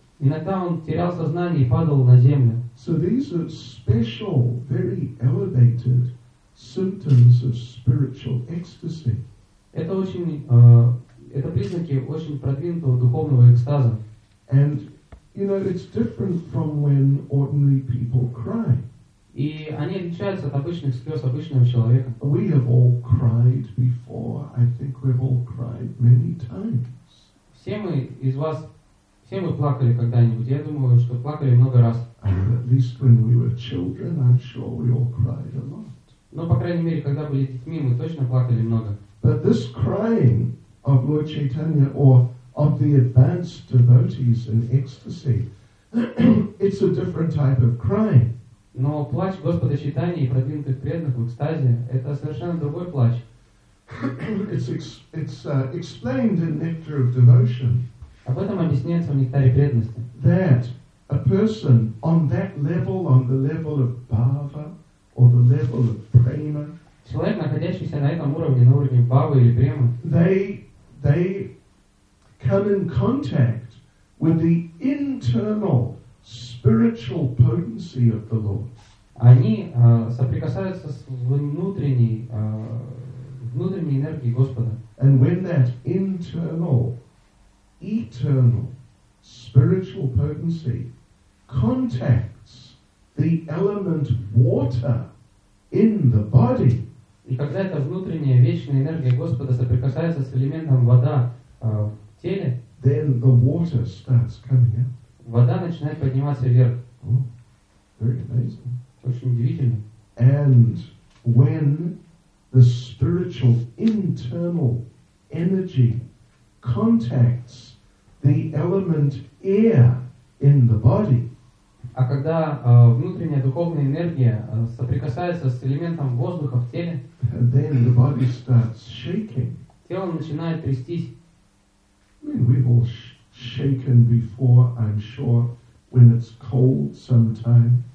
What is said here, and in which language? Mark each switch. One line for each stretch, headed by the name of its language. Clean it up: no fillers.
Russian: Иногда он терял сознание и падал на землю.
English: So these are special, very elevated symptoms of spiritual ecstasy.
Russian: Это признаки очень продвинутого духовного экстаза.
English: And you know, it's different from when ordinary people cry.
Russian: И они отличаются от обычных слез обычного человека.
English: We have all cried before. I think we've all cried many times.
Russian: Все мы плакали когда-нибудь. Я думаю, что плакали много раз.
English: And at least when we were children, I'm sure we all cried a lot.
Russian: Но, по крайней мере, когда были детьми, мы точно плакали много.
English: But this crying of Lord Chaitanya or of the advanced devotees in ecstasy, it's a different type of crying.
Russian: Но плач Господа Чайтаньи и продвинутых преданных в экстазе – это совершенно другой плач.
English: Explained in Nectar of Devotion.
Russian: Об этом объясняется в Нектаре преданности.
English: That a person on that level, on the level of Bhava or the level of Prema.
Russian: Человек, находящийся на этом уровне, на уровне Бхавы или Премы.
English: They come in contact with the internal spiritual potency of the Lord.
Russian: Они соприкасаются с внутренней энергией Господа.
English: And when that internal, eternal, spiritual potency contacts the element water in the body.
Russian: И когда эта внутренняя вечная энергия Господа соприкасается с элементом вода в теле,
English: then the water starts coming out.
Russian: Вода начинает подниматься вверх.
English: Oh, very amazing.
Russian: Очень удивительно.
English: And when the spiritual internal energy contacts the element air in the body.
Russian: А когда внутренняя духовная энергия соприкасается с элементом воздуха в теле,
English: then the body starts shaking.
Russian: Тело начинает трястись.
English: I mean, we've all shaken before, I'm sure, when it's cold sometime.